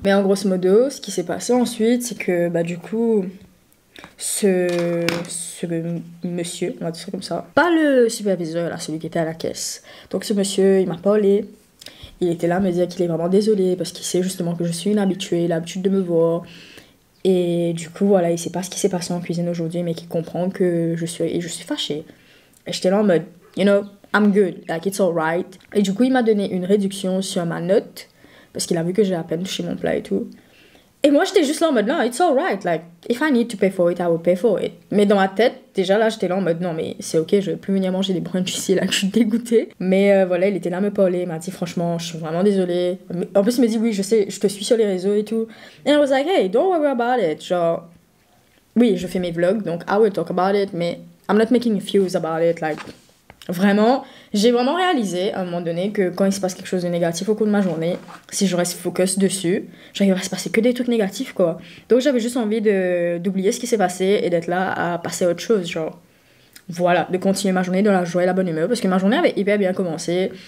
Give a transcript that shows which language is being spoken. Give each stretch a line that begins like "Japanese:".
French: Mais en grosso modo, ce qui s'est passé ensuite, c'est que, bah, du coup, ce monsieur, on va dire ça comme ça, pas le superviseur, là, celui qui était à la caisse. Donc, ce monsieur, il m'a parlé. Il était là à me dire qu'il est vraiment désolé parce qu'il sait justement que je suis inhabituée, il a l'habitude de me voir. Et du coup, voilà, il sait pas ce qui s'est passé en cuisine aujourd'hui, mais qu'il comprend que je suis fâchée. Et j'étais là en mode,
English: you know, I'm good, like it's alright.
French: Et du coup, il m'a donné une réduction sur ma note parce qu'il a vu que j'ai à peine touché mon plat et tout. Et moi, j'étais juste là en mode, non,
English: it's alright, like, if I need to pay for it, I will pay for it.
French: Mais dans ma tête, déjà là, j'étais là en mode, non, mais c'est ok, je vais plus venir manger des brunchs ici, là, je suis dégoûtée. Mais voilà, il était là à me parler, il m'a dit, franchement, je suis vraiment désolée. En plus, il me dit, oui, je sais, je te suis sur les réseaux et tout.
English: And I was like, hey, don't worry about it,
French: genre, oui, je fais mes vlogs, donc
English: I will talk about it, mais I'm not making a fuse about it, like, vraiment.
French: J'ai vraiment réalisé à un moment donné que quand il se passe quelque chose de négatif au cours de ma journée, si je reste focus dessus, genre il va se passer que des trucs négatifs, quoi. Donc j'avais juste envie d'oublier ce qui s'est passé et d'être là à passer à autre chose, genre. Voilà, de continuer ma journée dans la joie et la bonne humeur, parce que ma journée avait hyper bien commencé.